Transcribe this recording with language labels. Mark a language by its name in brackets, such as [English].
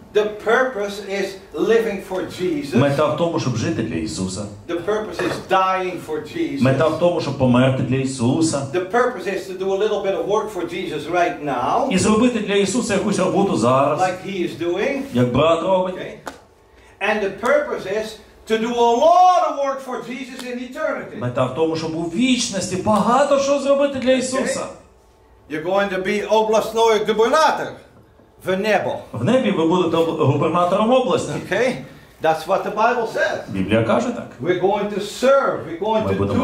[English] The purpose is living for Jesus. [Ukrainian] Мета в тому, щоб жити для Ісуса. [English] The purpose is dying for Jesus. [Ukrainian] Мета в тому, щоб померти для Ісуса. [English] The purpose is to do a little bit of work for Jesus right now. [Ukrainian] І зробити для Ісуса якусь роботу зараз. [English] Like he is doing. [Ukrainian] Як брат робить. [English] Okay. And the purpose is to do a lot of work for Jesus in eternity. [Ukrainian] Мета в тому, щоб у вічності багато що зробити для Ісуса. [English] Okay. You're going to be [Ukrainian] обласною губернатором. В небо. В небі ви будете губернатором області. [English] Okay? That's what the Bible says. [Ukrainian] Біблія каже так. [English] We're going to serve. We're going [Ukrainian] ми будемо